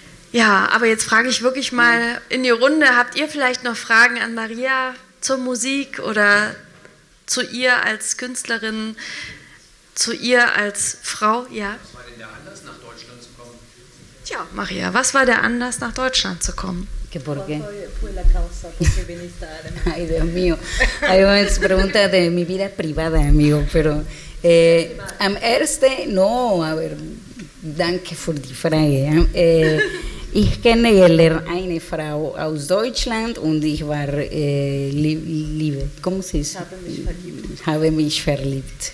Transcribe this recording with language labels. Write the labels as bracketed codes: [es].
[de] Ja, aber jetzt frage ich wirklich mal in die Runde, habt ihr vielleicht noch Fragen an Maria zur Musik oder zu ihr als Künstlerin, zu ihr als Frau? Ja. Ja, Maria, was war der Anlass, nach Deutschland zu kommen? [es] ¿Por qué? Ay, Dios mío. Hay una pregunta de mi vida privada, amigo. Pero [de] am erste, [es] no, a ver, [de] danke für die Frage. Ich kenne eine Frau aus Deutschland und ich war liebe. [es] ¿Cómo se dice? [de] Habe mich verliebt